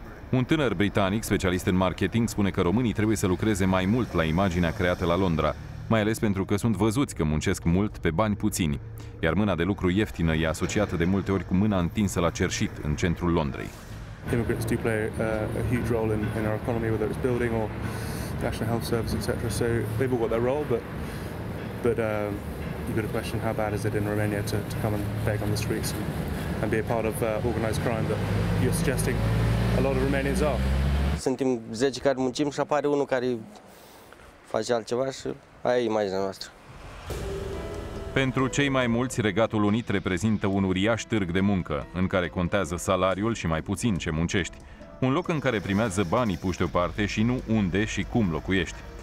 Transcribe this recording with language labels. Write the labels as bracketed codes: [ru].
[ro] Un tânăr britanic, specialist în marketing, spune că românii trebuie să lucreze mai mult la imaginea creată la Londra, mai ales pentru că sunt văzuți că muncesc mult pe bani puțini, iar mâna de lucru ieftină e asociată de multe ori cu mâna întinsă la cerșit în centrul Londrei. [en] Immigrants do play a huge role in our economy, whether it's building or national health service, etc. So they've all got their role, but you've got to question how bad is it in Romania to come and beg on the streets and be a part of organized crime that you're suggesting. A lot of Romanians are. [ro] Suntem 10 care muncim și apare unul care face altceva și aia e imaginea noastră. Pentru cei mai mulți, Regatul Unit reprezintă un uriaș târg de muncă, în care contează salariul și mai puțin ce muncești. Un loc în care primează banii puși deoparte și nu unde și cum locuiești.